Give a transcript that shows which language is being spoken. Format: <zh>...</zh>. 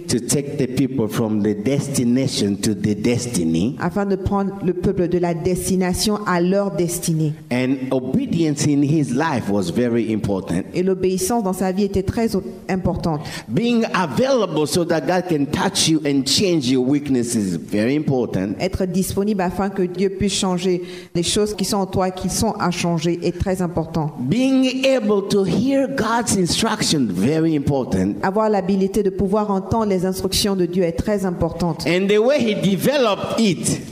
<en>To take the people from the destination to the destiny.</en> <fr>Afin de prendre le peuple de la destination à leur destinée.</fr> <en>And obedience in his life was very important.</en> <fr>Et l'obéissance dans sa vie était très importante.</fr> <en>Being available so that God can touch you and change your weaknesses is very important.</en> <fr>Être disponible afin que Dieu puisse changer les choses qui sont en toi qui sont à changer est très important.</fr> <en>Being able to hear God's instruction very important.</en> <fr>Avoir la de pouvoir entendre les instructions de Dieu est très importante.</fr> <en>And the way he developed it,</en>